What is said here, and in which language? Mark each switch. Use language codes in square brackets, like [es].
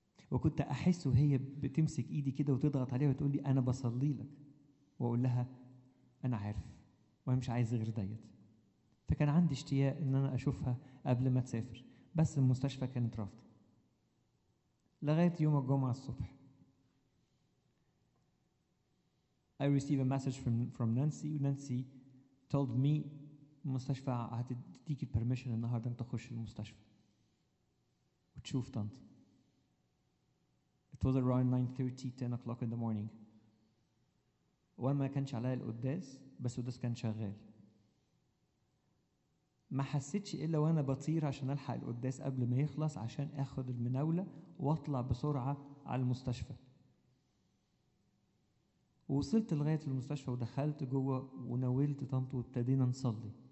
[ar] وكنت أحس وهي بتمسك إيدي كده وتضغط عليها وتقول لي أنا بصلي لك، وأقول لها أنا عارف وأنا مش عايز غير ديت. فكان عندي اشتياق إن أنا أشوفها قبل ما تسافر، بس المستشفى كانت رافضة لغاية يوم الجمعة الصبح. [en] I received a message from Nancy. Nancy told me [ar] المستشفى هتديك البرميشن النهاردة أن تخش المستشفى وتشوف طنط. [en] It was around 9:30, 10 o'clock in the morning. [ar] وأنا ما كانش عليا القداس، بس القداس كان شغال. ما حسيتش إلا وأنا بطير عشان ألحق القداس قبل ما يخلص عشان أخذ المناولة وأطلع بسرعة على المستشفى. وصلت لغاية المستشفى ودخلت جوه وناولت طنط وابتدينا نصلي.